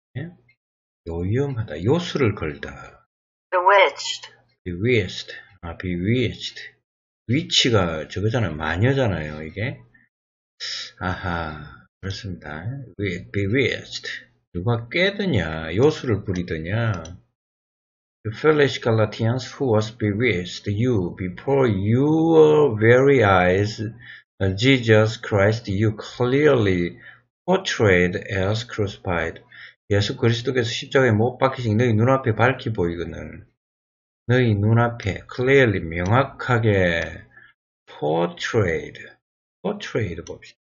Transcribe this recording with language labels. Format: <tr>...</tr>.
<ko>예? 요염하다, 요술을 걸다.</ko> <en>Bewitched. Bewitched. 아, Bewitched.</en> <ko>위치가 저거잖아요, 마녀잖아요. 이게 아하, 그렇습니다. Bewitched. 누가 꾀더냐, 요술을 부리더냐.</ko> <en>The foolish Galatians who was bewitched you before your very eyes, Jesus Christ you clearly portrayed as crucified.</en> <ko>예수 그리스도께서 십자가에 못 박히신 너희 눈앞에 밝히 보이거늘. 너희 눈앞에 clearly 명확하게 portrayed. Portrayed 봅시다.</ko>